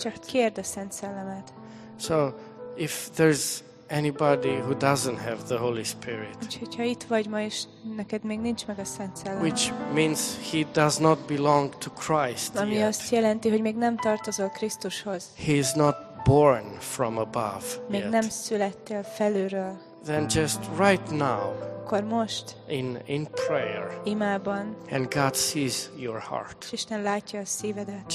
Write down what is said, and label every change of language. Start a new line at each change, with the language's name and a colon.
Hungarian: Csak kérd a Szent Szellemet.
English: So, if there's anybody who doesn't have the Holy Spirit.
Hungarian: Úgyhogy, ha itt vagy ma, és neked még nincs meg a Szent Szellem.
English: Which means he does not belong to Christ.
Hungarian: Ami azt jelenti, hogy még nem tartozol Krisztushoz.
English: He is not born from above.
Hungarian: Még nem születtél felülről.
English: Then just right now.
Hungarian: Akkor most.
English: In prayer.
Hungarian: Imában.
English: And God sees your heart.
Hungarian: Isten látja a szívedet.